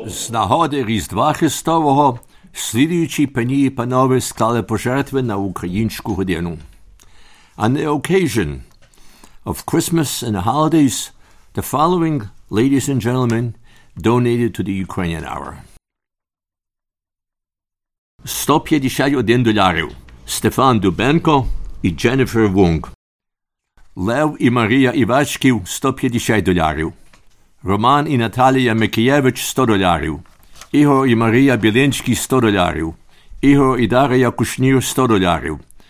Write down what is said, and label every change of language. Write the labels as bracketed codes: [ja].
[uk] Нагоди Різдва Христового, слідуючі пані і панове склали пожертви на українську годину. [en] On the occasion of Christmas and the holidays, the following, ladies and gentlemen, donated to the Ukrainian Hour. [uk] 151 долярів. Стефан Дубенко і Дженніфер Вунг. Лев і Марія Івачків, 150 долярів. Роман і Наталія Микієвич, 100 долярів. Ігор і Марія Білинські, 100 долярів. Ігор і Дар'я Кушнір, 100 долярів.